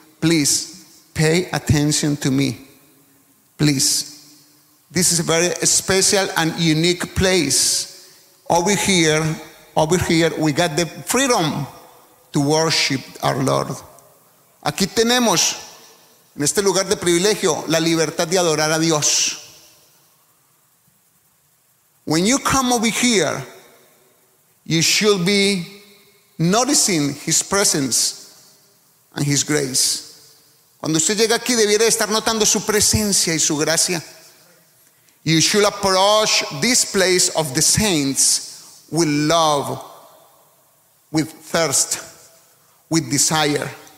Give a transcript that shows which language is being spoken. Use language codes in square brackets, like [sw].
[en] Please, pay attention to me. Please. This is a very special and unique place. Over here, we got the freedom to worship our Lord. [es] Aquí tenemos, en este lugar de privilegio, la libertad de adorar a Dios. [en] When you come over here, you should be noticing His presence and His grace. [es] Cuando usted llega aquí, debiera estar notando su presencia y su gracia. [en] You should approach this place of the saints with love, with thirst, with desire.